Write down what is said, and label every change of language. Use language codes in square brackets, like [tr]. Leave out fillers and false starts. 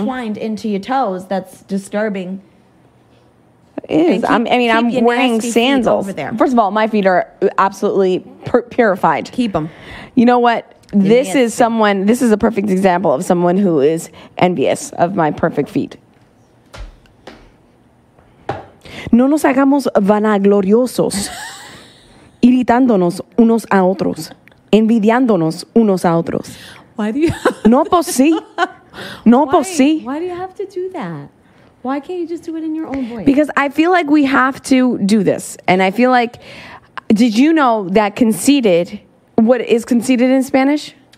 [en] All twined into your toes. That's disturbing. It is. I'm wearing sandals. Over there. First of all, my feet are absolutely purified. Keep them. You know what? This is a perfect example of someone who is envious of my perfect feet. [es] No nos hagamos vanagloriosos, irritándonos unos a otros, envidiándonos unos a otros. [en] Why do you have [es] No pues sí. No pues sí. [en] Why do you have to do that? Why can't you just do it in your own voice? Because I feel like we have to do this. And I feel like, did you know that conceited, what is conceited in Spanish?